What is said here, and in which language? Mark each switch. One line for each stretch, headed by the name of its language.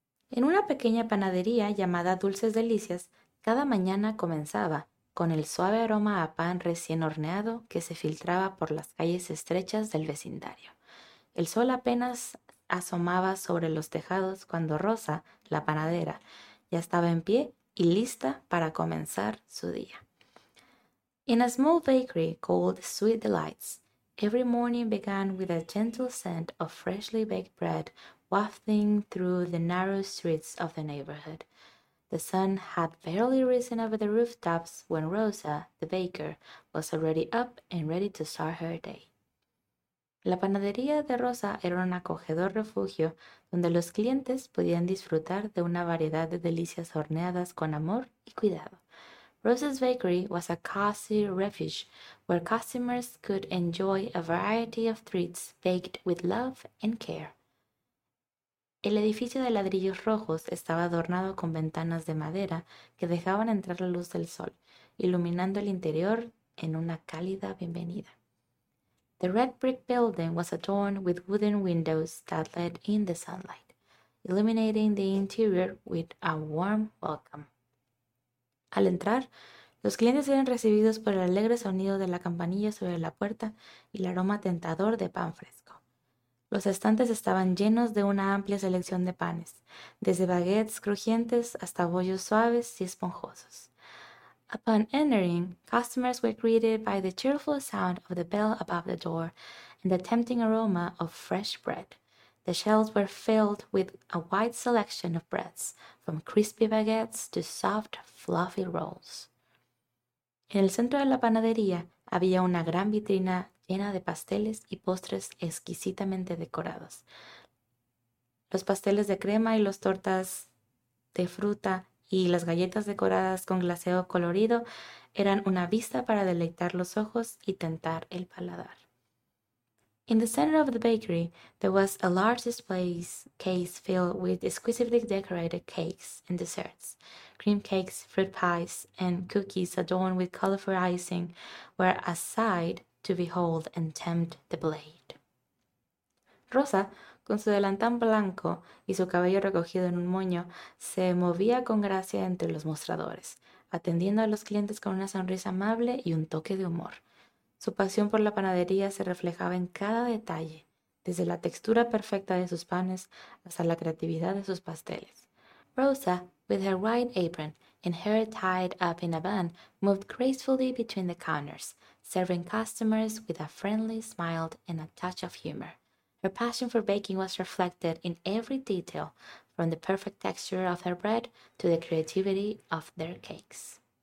Spanish: En una pequeña panadería llamada Dulces Delicias, cada mañana comenzaba con el suave aroma a pan recién horneado que se filtraba por las calles estrechas del vecindario. El sol apenas asomaba sobre los tejados cuando Rosa, la panadera, ya estaba en pie y lista para comenzar su día.
English: In a small bakery called Sweet Delights, every morning began with a gentle scent of freshly baked bread wafting through the narrow streets of the neighborhood. The sun had barely risen over the rooftops when Rosa, the baker, was already up and ready to start her day.
Spanish: La panadería de Rosa era un acogedor refugio donde los clientes podían disfrutar de una variedad de delicias horneadas con amor y cuidado.
English: Rosa's bakery was a cozy refuge where customers could enjoy a variety of treats baked with love and care.
Spanish: El edificio de ladrillos rojos estaba adornado con ventanas de madera que dejaban entrar la luz del sol, iluminando el interior en una cálida bienvenida.
English: The red brick building was adorned with wooden windows that let in the sunlight, illuminating the interior with a warm welcome.
Spanish: Al entrar, los clientes eran recibidos por el alegre sonido de la campanilla sobre la puerta y el aroma tentador de pan fresco. Los estantes estaban llenos de una amplia selección de panes, desde baguettes crujientes hasta bollos suaves y esponjosos.
English: Upon entering, customers were greeted by the cheerful sound of the bell above the door and the tempting aroma of fresh bread. The shelves were filled with a wide selection of breads, from crispy baguettes to soft, fluffy rolls.
Spanish: En el centro de la panadería había una gran vitrina llena de pasteles y postres exquisitamente decorados. Los pasteles de crema y las tortas de fruta y las galletas decoradas con glaseo colorido eran una vista para deleitar los ojos y tentar el paladar.
English: In the center of the bakery, there was a large display case filled with exquisitely decorated cakes and desserts. Cream cakes, fruit pies, and cookies adorned with colorful icing were a sight to behold and tempt the blade.
Spanish: Rosa, con su delantal blanco y su cabello recogido en un moño, se movía con gracia entre los mostradores, atendiendo a los clientes con una sonrisa amable y un toque de humor. Su pasión por la panadería se reflejaba en cada detalle, desde la textura perfecta de sus panes hasta la creatividad de sus pasteles.
English: Rosa, with her white apron and hair tied up in a bun, moved gracefully between the counters, serving customers with a friendly smile and a touch of humor. Her passion for baking was reflected in every detail, from the perfect texture of her bread to the creativity of their cakes.